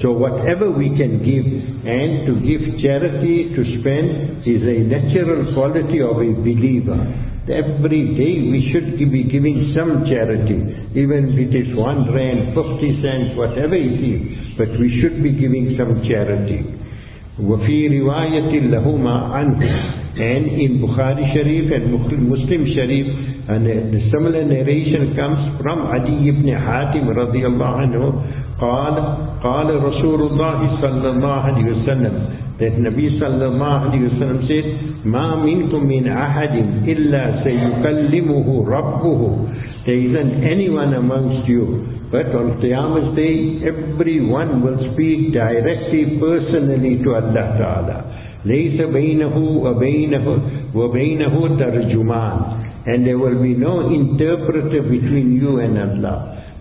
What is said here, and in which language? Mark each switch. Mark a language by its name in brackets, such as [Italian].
[English] So whatever we can give, and to give charity, to spend, is a natural quality of a believer. Every day we should be giving some charity, even if it is 1 rand, 50 cents, whatever it is, but we should be giving some charity. [Arabic] وفي رواية لهما عنه, [English] and in Bukhari Sharif and Muslim Sharif, and a similar narration comes from Adi ibn Hatim [Arabic] رضي الله عنه, قال رسول الله صلى الله عليه وسلم, [English] that Nabi [Arabic] صلى الله عليه وسلم [English] said, [Arabic] ما منكم من أحد إلا سيكلمه ربه, [English] there isn't anyone amongst you. But on Qiyamah Day, everyone will speak directly, personally to Allah Ta'ala. [Arabic] لَيْسَ بَيْنَهُ وَبَيْنَهُ وَبَيْنَهُ تَرْجُمَانِ. [English] And there will be no interpreter between you and Allah.